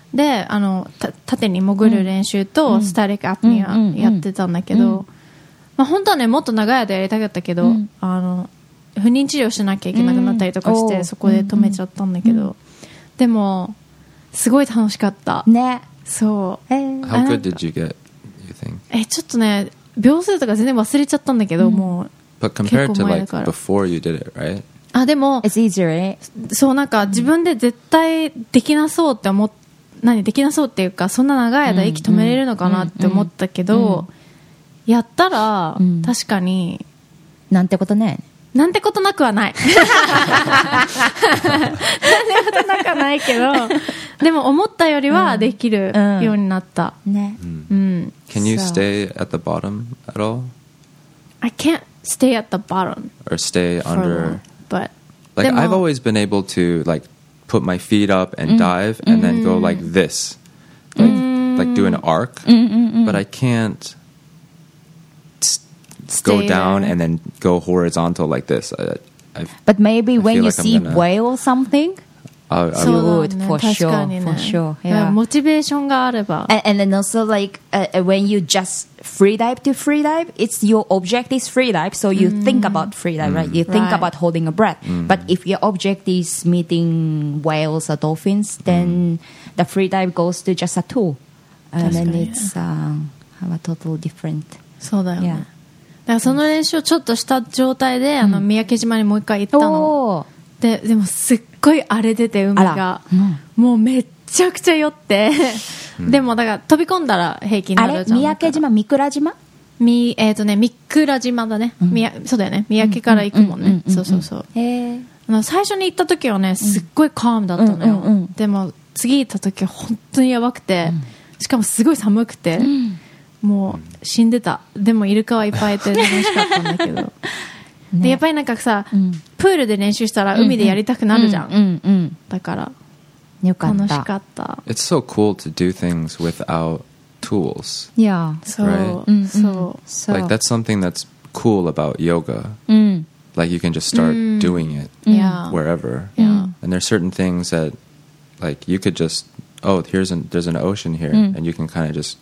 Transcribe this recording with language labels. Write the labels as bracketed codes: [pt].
[ja] であの縦に潜る練習とスタティックアプニアやってたんだけど、うんうんうんまあ、本当はねもっと長い間やりたかったけど、うん、あの不妊治療しなきゃいけなくなったりとかして、うん、そこで止めちゃったんだけど、うんうん、でもすごい楽しかったね。そう、 [en] How good did you get, you think? [ja] ちょっとね秒数とか全然忘れちゃったんだけど、うん、もう [en] But compared to like before you did it, right? [ja] あでも [en] It's easier, right? [ja] そうなんか自分で絶対できなそうって思っ何できなそうっていうかそんな長い間息止めれるのかなって思ったけど、うんうん、やったら、うん、確かになんてことねなんてことなくはないなんてことなくはないけどでも思ったよりはできるようになった、うんうん、ね、うん、 [en] Can you stay at the bottom at all? I can't stay at the bottom Or stay under But, like I've always been able to like put my feet up and dive and then go like this, like do an arc. But I can't go down and then go horizontal like this. But maybe when you see whale or something, you would for sure, for sure. Yeah, [ja] motivation があれば. [en] And then also like when you just free dive, it's your object is free dive, so you think about free dive, right? You think about holding a breath. But if your object is meeting whales or dolphins, then the free dive goes to just a tool. And then it's have a total different. [ja] そうだよね。だからその練習をちょっとした状態で、あの三宅島にもう一回行ったの。でもすっごい荒れてて海が、もうめっちゃくちゃ酔って。でもだから飛び込んだら平気になるじゃん。あれ三宅島、三倉島？三倉島だね、うん。そうだよね。三宅から行くもんね。そうそうそう。最初に行った時はね、すっごいカームだったのよ。でも次行った時は本当にやばくて、しかもすごい寒くて、もう死んでた。でもイルカはいっぱいいて楽しかったんだけど。ね、でやっぱりなんかさ、プールで練習したら海でやりたくなるじゃん。だから。よかった楽しかった [en] It's so cool to do things without tools Yeah [ja] そう、 [en] right? [ja] そう、 [en] Like that's something that's cool about yoga、 [ja] うん、 [en] Like you can just start、うん、doing it、 yeah. Wherever、 yeah. And there's certain things that Like you could just Oh here's an, there's an ocean here、うん、And you can kind of just、